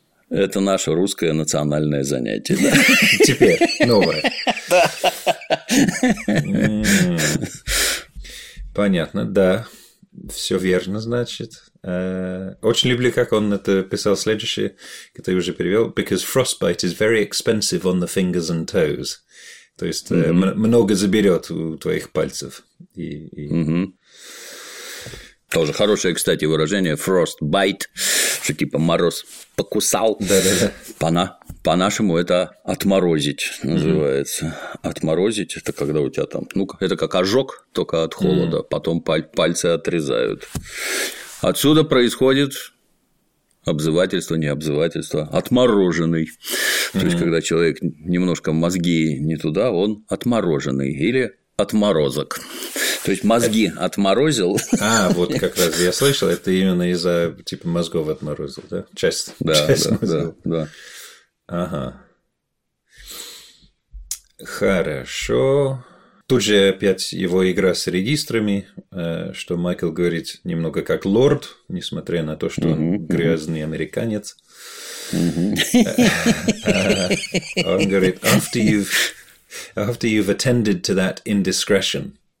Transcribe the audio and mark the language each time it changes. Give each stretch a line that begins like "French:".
Russian: Это наше русское национальное занятие. Да? Теперь новое. Понятно, да. Все верно, значит. Очень люблю, как он это писал следующее, который уже перевел.
English: Because frostbite is very expensive on the fingers and toes.
Russian: То есть много заберет у твоих пальцев. Тоже хорошее, кстати, выражение. Frostbite, что типа мороз покусал. Да-да-да. По-нашему это отморозить называется. Отморозить – это когда у тебя там… ну, это как ожог, только от холода, потом пальцы отрезают. Отсюда происходит обзывательство, не обзывательство, отмороженный. То есть, когда человек немножко мозги не туда, он отмороженный или отморозок. То есть, мозги это... отморозил. А, вот как раз я слышал, это именно из-за типа мозгов отморозил, да? Часть мозгов. Ага. Хорошо. Тут же опять его игра с регистрами, что Майкл говорит немного как лорд, несмотря на то, что он грязный американец. Он говорит,
English: after you've attended to that indiscretion.